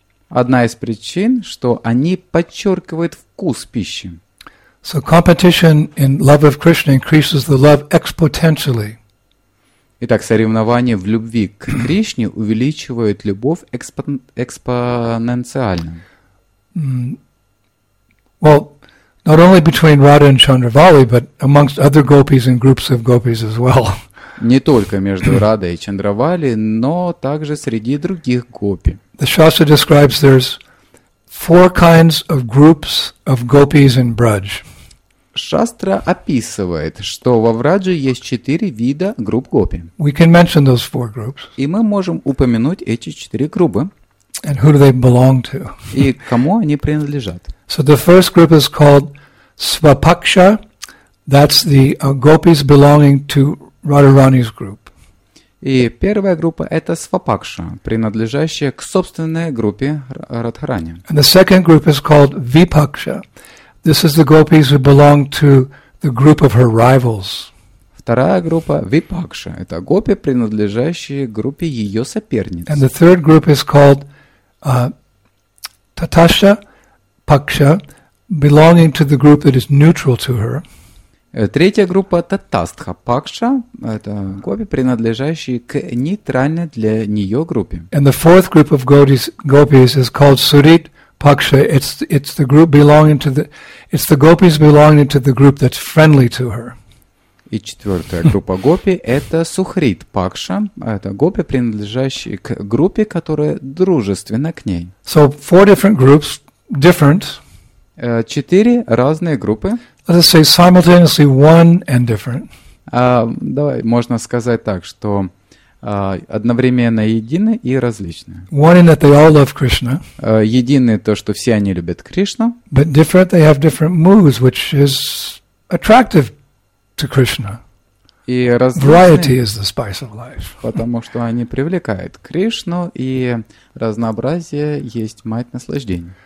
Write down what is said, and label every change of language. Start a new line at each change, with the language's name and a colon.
Russian: Одна из причин, что они подчеркивают вкус пищи.
English: So competition in love of Krishna increases the love exponentially.
Russian: Итак, соревнование в любви к Кришне увеличивает любовь экспоненциально.
English: Well, not only between Radha and Chandravali, but amongst other gopis and groups of gopis as well.
Russian: Не только между Радой и Чандравали, но также среди других гопи.
English: The Shastra describes there's four kinds of groups of gopis in Braj.
Russian: Шастра описывает, что во Врадже есть четыре вида групп гопи.
English: We can mention those four groups.
Russian: И мы можем упомянуть эти четыре группы.
English: And who do they belong to?
Russian: И кому они принадлежат?
English: So the first group is called Svapaksha. That's the gopis belonging to Radharani's group.
Russian: И первая группа – это Свапакша, принадлежащая к собственной группе Радхарани.
English: And the second group is called Vipaksha. This is the gopis who belong to the group of her rivals.
Russian: Вторая группа Випакша – это гопи, принадлежащие группе ее соперниц.
English: And the third group is called Таташа Пакша, belonging to the group that is neutral to her.
Russian: Третья группа Татастха Пакша – это гопи, принадлежащие к нейтральной для нее группе.
English: And the fourth group of gopis is called Сурит Paksha, it's the group belonging to the, it's the gopis belonging to the group that's friendly to her.
Russian: И четвертая группа гопи это Сухрит Пакша, это гопи принадлежащие к группе, которая дружественна к ней.
English: So four different groups, different.
Russian: Четыре разные группы.
English: Let's say simultaneously one and different.
Russian: Давай, можно сказать так, что одновременно едины и различны.
English: One in that they all love Krishna.
Russian: Едины то, что все они любят Кришну.
English: But different, they have different moods, which is attractive to Krishna.
Russian: И различные,
English: variety is the spice of life.
Russian: Потому что они привлекают Кришну, и разнообразие есть мать наслаждения.